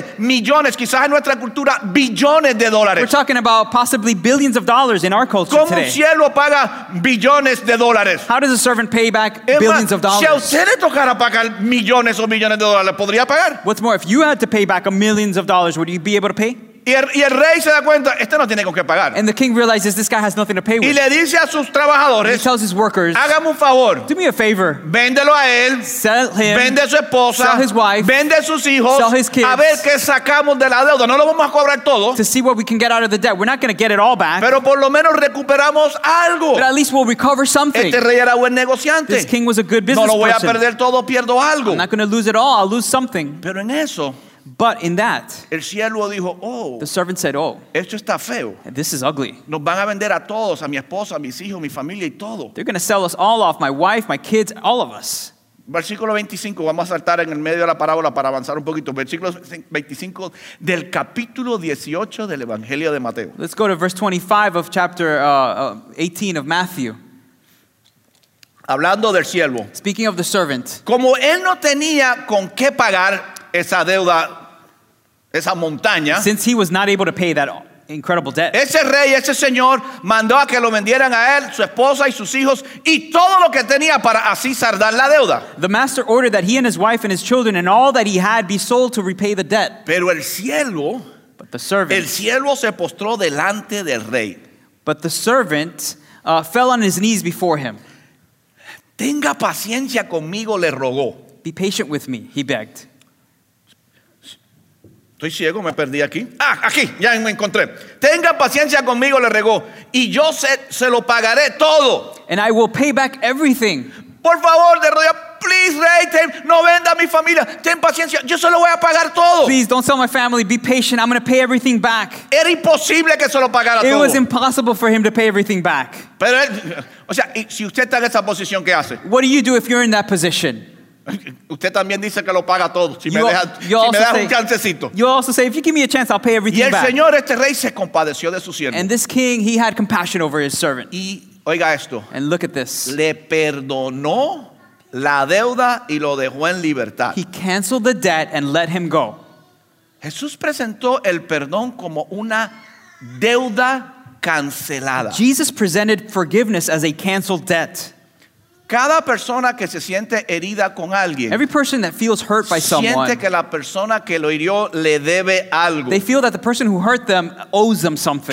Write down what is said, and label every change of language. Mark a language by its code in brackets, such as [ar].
[es] De millones, quizás en nuestra cultura, billones de dólares. [en] We're talking about possibly billions of dollars in our culture [es] ¿Cómo ¿Cómo un siervo paga billones de dólares? [en] How does a servant pay back billions of dollars? [es] Si a usted le tocara pagar millones o millones de dólares, ¿podría pagar? [en] What's more, if you had to pay back a millions of dollars, would you be able to pay? [es] Y el rey se da cuenta, este no tiene con qué pagar. [en] And the king realizes this guy has nothing to pay with. [es] Y le dice a sus trabajadores, [en] he tells his workers, [es] hágame un favor. [en] Do me a favor. [es] Véndelo a él. [en] Sell him. [es] Vende a su esposa. [en] Sell his wife. [es] Vende a sus hijos. [en] Sell his kids. [es] A ver qué sacamos de la deuda. No lo vamos a cobrar todo. [en] To see what we can get out of the debt. We're not going to get it all back. [es] Pero por lo menos recuperamos algo. [en] But at least we'll recover something. [es] Este rey era buen negociante. [en] This king was a good business [es] No lo voy [en] person. [es] A perder todo, pierdo algo. [en] I'm not going to lose it all, I'll lose something. [es] Pero en eso, [en] but in that, [es] el siervo dijo, oh, [en] the servant said, oh, [es] esto está feo. [en] This is ugly. [es] Nos van a vender a todos, a mi esposa, a mis hijos, mi familia y todo. [en] They're going to sell us all off, my wife, my kids, all of us. [es] Versículo 25, vamos a saltar en el medio de la parábola para avanzar un poquito. Versículo 25 del capítulo 18 del Evangelio de Mateo. [en] Let's go to verse 25 of chapter 18 of Matthew. [es] Hablando del siervo. [en] Speaking of the servant. [es] Como él no tenía con qué pagar esa deuda, esa montaña. [en] Since he was not able to pay that incredible debt. [es] Ese rey, ese señor, mandó a que lo vendieran a él, su esposa y sus hijos y todo lo que tenía para así saldar la deuda. [en] The master ordered that he and his wife and his children and all that he had be sold to repay the debt. [es] Pero el siervo, [en] but the servant, [es] el siervo se postró delante del rey. [en] But the servant fell on his knees before him. [es] Tenga paciencia conmigo, le rogó. [en] Be patient with me, he begged. [es] Estoy ciego, me perdí aquí. Ah, aquí, ya me encontré. Tenga paciencia conmigo, le regó. Y yo se lo pagaré todo. [en] And I will pay back everything. [es] Por favor, de rodillas. [en] Please, [es] rey, no venda mi familia. Ten paciencia. Yo se lo voy a pagar todo. [en] Please, don't sell my family. Be patient. I'm going to pay everything back. [es] Era imposible que se lo pagara [en] it [es] todo. [en] It was impossible for him to pay everything back. [es] Pero, o sea, si usted está en esa posición, ¿qué hace? [en] What do you do if you're in that position? [es] Usted también dice que lo paga todo. Si me deja, si me deja un chancecito. [en] You also say, if you give me a chance, I'll pay everything back. [es] Y el señor, este rey, se compadeció de su siervo. [en] And this king, he had compassion over his servant. [es] Y oiga esto. [en] And look at this. [es] Le perdonó la deuda y lo dejó en libertad. [en] He canceled the debt and let him go. [es] Jesús presentó el perdón como una deuda cancelada. [en] Jesus presented forgiveness as a canceled debt. [es] Cada persona que se siente herida con alguien, [en] every person that feels hurt by [es] siente [en] someone, [es] siente que la persona que lo hirió le debe algo. [en] They feel that the person who hurt them owes them something.